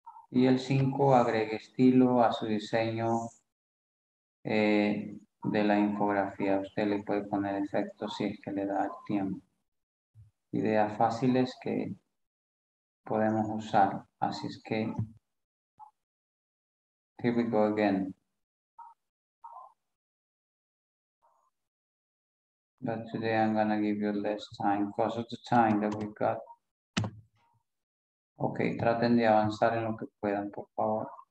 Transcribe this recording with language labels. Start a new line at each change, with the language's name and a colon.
Spanish: Y el cinco, agregue estilo a su diseño de la infografía. Usted le puede poner efectos si es que le da el tiempo. Ideas fáciles que podemos usar, así es que
English: here we go again. But today I'm gonna give you less time because of the time that we got.
Spanish: Okay, traten de avanzar en lo que puedan, por favor.